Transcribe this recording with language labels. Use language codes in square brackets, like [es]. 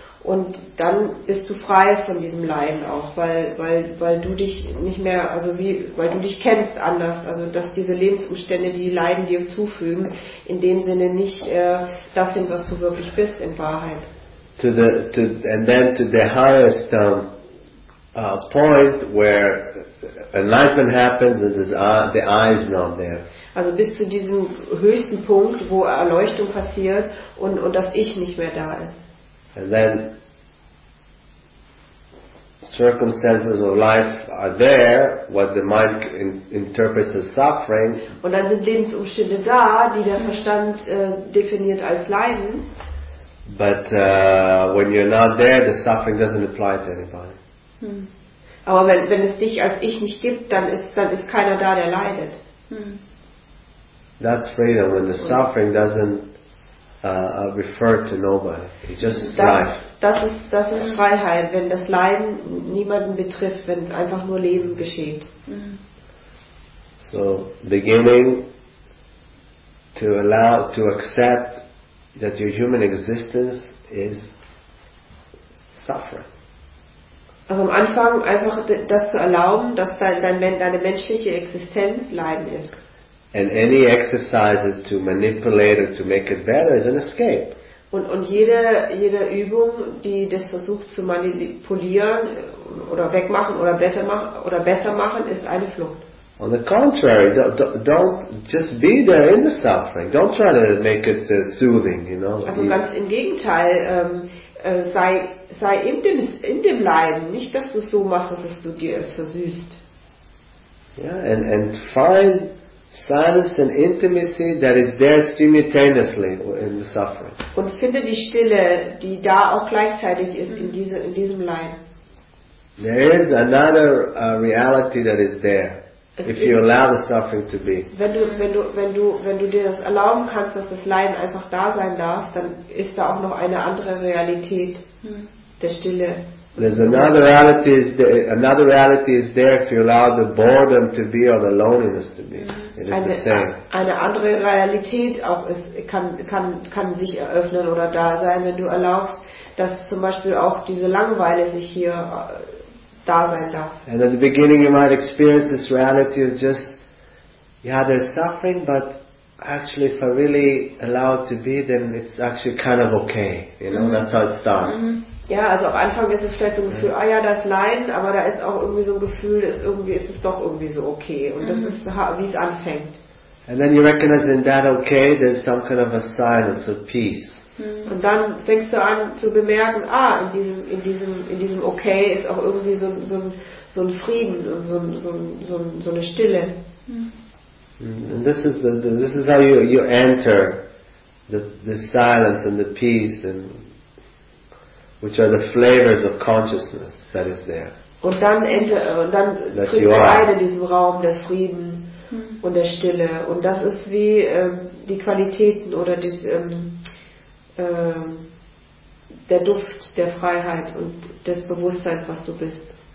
[de] Und dann bist du frei von diesem Leiden auch, weil du dich nicht mehr, also wie, weil du dich kennst anders, also dass diese Lebensumstände, die Leiden dir zufügen, in dem Sinne nicht das sind, was du wirklich bist in Wahrheit. [en] To the highest point where enlightenment happens, the I is not there. [de] Also bis zu diesem höchsten Punkt, wo Erleuchtung passiert und das Ich nicht mehr da ist. [en] And then circumstances of life are there, what the mind interprets as suffering. [de] Und dann sind Lebensumstände da, die der Verstand definiert als Leiden. [en] But when you're not there, the suffering doesn't apply to anybody. [de] Aber wenn es dich als Ich nicht gibt, dann ist keiner da, der leidet. [en] That's freedom, when the suffering doesn't refer to nobody. It's just life. [de] Das ist Freiheit, wenn das Leiden niemanden betrifft, wenn es einfach nur Leben geschieht. [en] So, beginning to allow, to accept that your human existence is suffering. [de] Also am Anfang einfach das zu erlauben, dass deine menschliche Existenz Leiden ist. [en] And any exercises to manipulate it to make it better is an escape. [de] Und jede Übung, die das versucht zu manipulieren oder wegmachen oder besser machen, ist eine Flucht. [en] On the contrary, don't just be there in the suffering. Don't try to make it soothing, you know. [de] Also ganz im Gegenteil, sei in dem Leiden, nicht dass du es so machst, dass du dir es versüßt. [en] Yeah, and find silence and intimacy that is there simultaneously in the suffering. [de] Und finde die Stille, die da auch gleichzeitig ist in diesem Leiden. [en] There is another reality that is there if you allow the suffering to be. [de] Wenn du dir das erlauben kannst, dass das Leiden einfach da sein darf, dann ist da auch noch eine andere Realität der Stille. [en] There's another reality. Another reality is there if you allow the boredom to be or the loneliness to be. It is the same. [de] Eine andere Realität auch ist, kann sich eröffnen oder da sein, wenn du erlaubst, dass zum Beispiel auch diese Langeweile sich hier da sein darf. [en] And at the beginning, you might experience this reality as just, yeah, there's suffering, but actually, if I really allow it to be, then it's actually kind of okay. You know, that's how it starts. [de] Ja, also am Anfang ist es vielleicht so ein Gefühl, ah ja, da ist Leiden, aber da ist auch irgendwie so ein Gefühl, ist es doch irgendwie so okay. Und das ist, wie es anfängt. [en] And then you recognize in that okay, there's some kind of a silence, a peace. [de] Und dann fängst du an zu bemerken, in diesem okay ist auch irgendwie so ein Frieden und so eine Stille. [en] And this is how you enter the silence and the peace and which are the flavors of consciousness that is there. [de] Und dann tritt in diesem Raum der Frieden und der Stille. Und das ist wie die Qualitäten oder der Duft der Freiheit und des Bewusstseins, was du bist.